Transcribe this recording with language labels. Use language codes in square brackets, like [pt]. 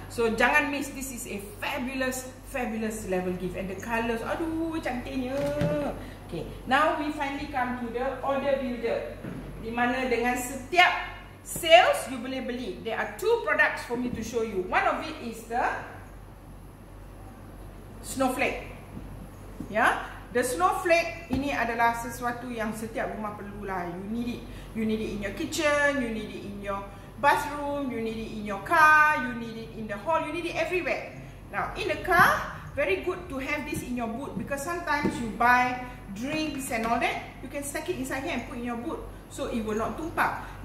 [en] So [ms] jangan miss, [en] this is a fabulous, fabulous level gift. And the colors, [ms] aduh, cantiknya. [en] Okay, now we finally come to the order builder. [ms] Di mana dengan setiap sales, you boleh beli. [en] There are 2 products for me to show you. One of it is the snowflake. [ms] Yeah, the snowflake ini adalah sesuatu yang setiap rumah perlulah. [en] You need it. You need it in your kitchen, you need it in your bathroom, you need it in your car, you need it in the hall, you need it everywhere. Now, in the car, very good to have this in your boot because sometimes you buy drinks and all that, you can stack it inside here and put in your boot so it will not tumpah.